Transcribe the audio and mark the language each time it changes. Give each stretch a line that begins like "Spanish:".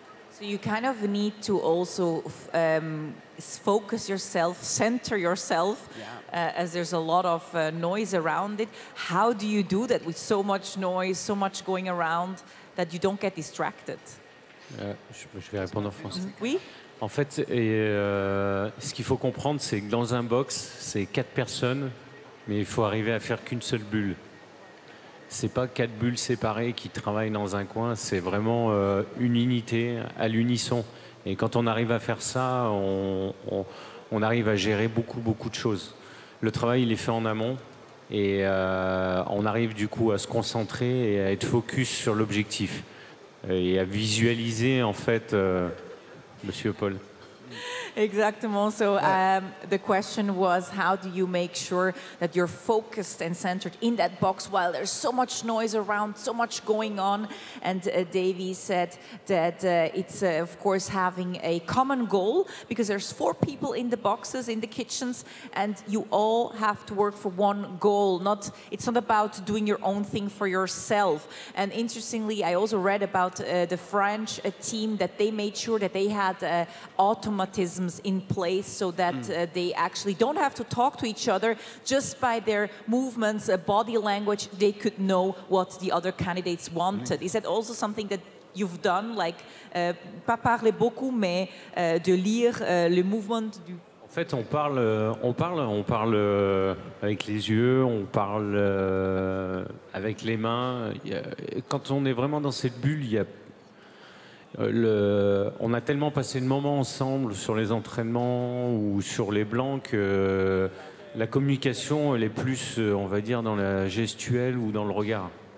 English: So you kind of need to also focus yourself, center yourself, yeah. As there's a lot of noise around it. How do you do that with so much noise, so much going around, that you don't get distracted?
French: Je vais répondre en français. Oui. En fait, et ce qu'il faut comprendre, c'est que dans un box, c'est 4 personnes, mais il faut arriver à faire qu'une seule bulle. C'est pas 4 bulles séparées qui travaillent dans un coin, c'est vraiment une unité à l'unisson. Et quand on arrive à faire ça, on arrive à gérer beaucoup, beaucoup de choses. Le travail, il est fait en amont. Et on arrive du coup à se concentrer et à être focus sur l'objectif et à visualiser en fait, Monsieur Paul. Exactement.
English: So the question was, how do you make sure that you're focused and centered in that box while there's so much noise around, so much going on? And Davy said that it's of course having a common goal, because there's 4 people in the boxes, in the kitchens, and you all have to work for one goal. Not, it's not about doing your own thing for yourself. And interestingly, I also read about the French team, that they made sure that they had automatism in place, so that they actually don't have to talk to each other. Just by their movements, body language, they could know what the other candidates wanted. Is that also something that you've done?
French: Like, pas parler beaucoup, mais de lire le mouvement du... En fait, on parle avec les yeux, on parle avec les mains. Quand on est vraiment dans cette bulle, on a tellement passé de moments ensemble sur les entraînements ou sur les blancs que la communication, elle est plus, on va dire, dans la gestuelle ou dans le regard.